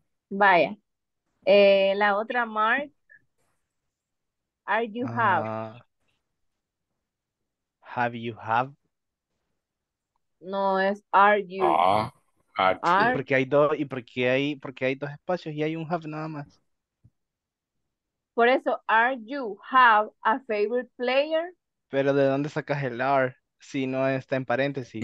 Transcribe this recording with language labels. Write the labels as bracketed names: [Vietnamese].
[Spanish] Vaya. La otra, Mark. [English] Have you? [Spanish] No, es [English] are you. Are you. [Spanish] Porque hay dos espacios y hay un have nada más. Por eso, [English] are you have a favorite player? [Spanish] Pero ¿de dónde sacas el are si no está en paréntesis?